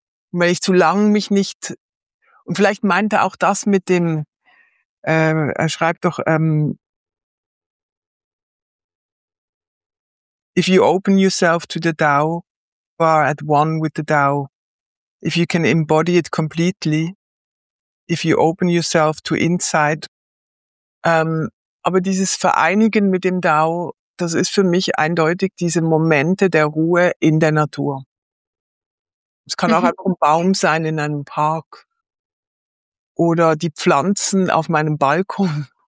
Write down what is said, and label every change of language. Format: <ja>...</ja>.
<de>Und wenn ich zu lang mich nicht. Und vielleicht meint er auch das mit dem, er schreibt doch,</de> <en>if you open yourself to the Tao, you are at one with the Tao. If you can embody it completely, if you open yourself to insight.</en> <de>Aber dieses Vereinigen mit dem Tao, das ist für mich eindeutig diese Momente der Ruhe in der Natur. Es kann auch einfach ein Baum sein in einem Park. Oder die Pflanzen auf meinem Balkon.</de>